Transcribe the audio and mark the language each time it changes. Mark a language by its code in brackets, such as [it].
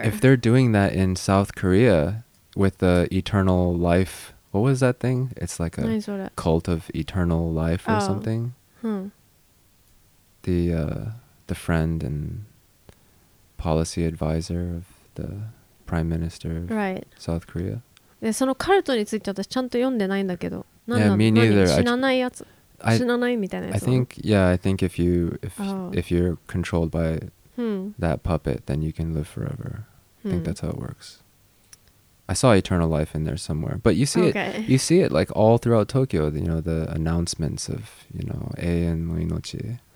[en] Hey, if they're doing that in South Korea with the eternal life... What was that thing? It's like a cult of eternal life or something. The friend and policy advisor of the prime minister of South Korea. [ja] そのカルトについて私ちゃんと読んでないんだけど。 [en] Yeah, me neither. [ja] 死なないやつ。 [en] I think if you're controlled by that puppet, then you can live forever. I think that's how it works. I saw eternal life in there somewhere, but you see it. You see it like all throughout Tokyo. You know the announcements of you know Aeon no Inochi.